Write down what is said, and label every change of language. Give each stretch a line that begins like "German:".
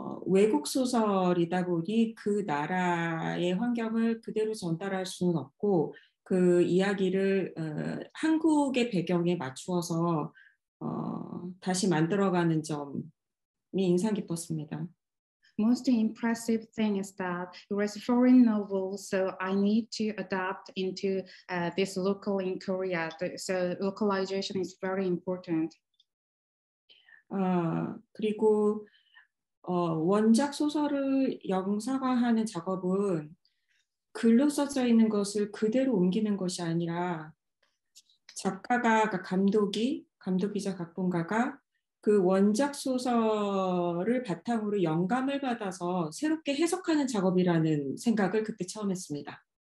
Korean: 외국 소설이다 보니 그 나라의 환경을 그대로 전달할 수는 없고 그 이야기를 한국의 배경에 맞추어서 다시 만들어가는 점이 인상 깊었습니다.
English: Most impressive thing is that it was a foreign novel, so I need to adapt into this local in Korea. So localization is very important.
Korean: 그리고 원작 소설을 영상화하는 작업은 글로 써져 있는 것을 그대로 옮기는 것이 아니라 작가가 감독이 감독이자 각본가가 그 원작 소설을 바탕으로 영감을 받아서 새롭게 해석하는 작업이라는 생각을 그때 처음 했습니다.